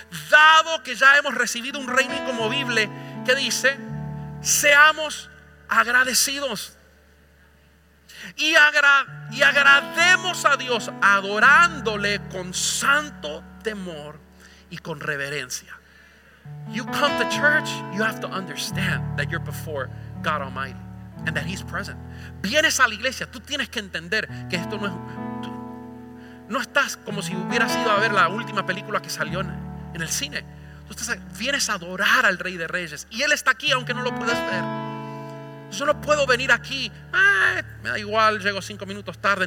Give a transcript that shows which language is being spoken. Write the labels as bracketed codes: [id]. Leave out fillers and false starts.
[es] dado que ya hemos recibido un reino inconmovible, que dice, seamos agradecidos. Y agrademos a Dios adorándole con santo temor y con reverencia. [en] You come to church, you have to understand that you're before God Almighty and that He's present. [es] Vienes a la iglesia, tú tienes que entender que esto no es, tú, no estás como si hubieras ido a ver la última película que salió en el cine. Tú estás, vienes a adorar al Rey de Reyes y Él está aquí aunque no lo puedes ver. Yo no puedo venir aquí, me da igual, llego 5 minutos tarde.